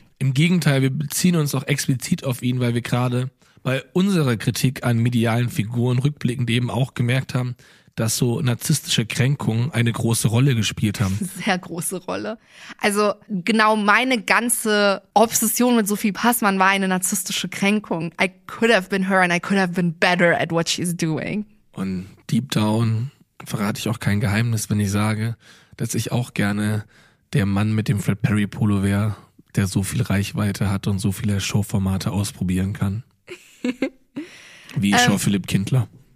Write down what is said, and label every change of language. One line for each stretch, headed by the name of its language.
German: Im Gegenteil, wir beziehen uns auch explizit auf ihn, weil wir gerade bei unserer Kritik an medialen Figuren rückblickend eben auch gemerkt haben, dass so narzisstische Kränkungen eine große Rolle gespielt haben. Sehr große Rolle. Also genau meine ganze Obsession mit Sophie Passmann war eine narzisstische Kränkung.
English: I could have been her and I could have been better at what she's doing.
German: Und
English: deep down
German: verrate ich auch kein Geheimnis, wenn ich sage, dass ich auch gerne der Mann mit dem Fred Perry Polo wäre, der so viel Reichweite hat und so viele Showformate ausprobieren kann. Wie Jean-Philipp Kindler.